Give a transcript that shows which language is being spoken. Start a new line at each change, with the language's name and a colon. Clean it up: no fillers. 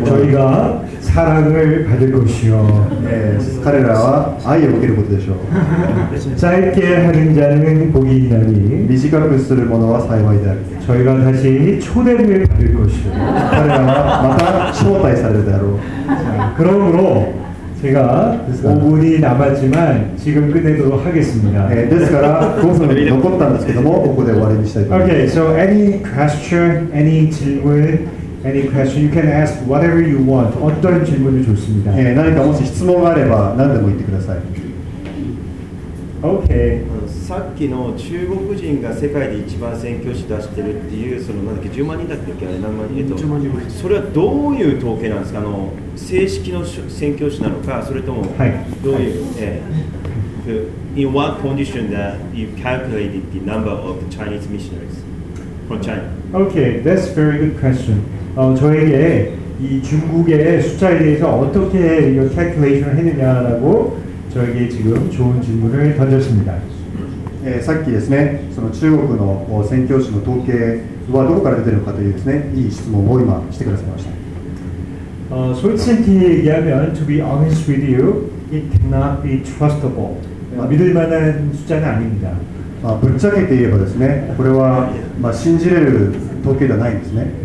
Korean: 저희가사랑을받을것이요
Japanese: 彼らは愛を受けることでしょう。
Korean: 짧게하는자는복이있나니
Japanese: 短くする者は幸いである。
Korean: 저희가다시초대를받을것이요
Japanese: 彼らはまた招待されるだろう。
Korean: 그러므로제가5분이남았지만지금끝내도록하겠습니다
Japanese: ですから5分残ったんですけどもここで終わりにしたいと思います。
English: Okay, so any question, any 질문, any question, you can ask whatever you want.
Korean: 어떤 질문이좋습니다
Japanese: 何かもし質問があれば何でも言ってください。
English: Okay.
Japanese: さっきの中国人が世界で一番宣教師出してるっていうその何だっけ10万人だったっけあれ何万人それはどういう統計なんですか正式の宣教師なのかそれともどういう、はい
English: In what condition that you calculated the number of the Chinese missionaries from China? Okay, that's very good question.
Korean: 저에게이중국의숫자에대해서어떻게이거 calculation을 했느냐라고 저에게 지금 좋은 질문을 던졌습니다.
Japanese: 先ですね、その中国の宣教師の統計はどこから出てるのかというですね、いい質問を今してくださいました。
Korean: 솔직히 얘기하면,
English: to be honest with you, it cannot be trustable.
Korean: 믿을만한 숫자는 아닙니다.
Japanese: 불착했대言えばですね、これは信じれる統計ではないんですね。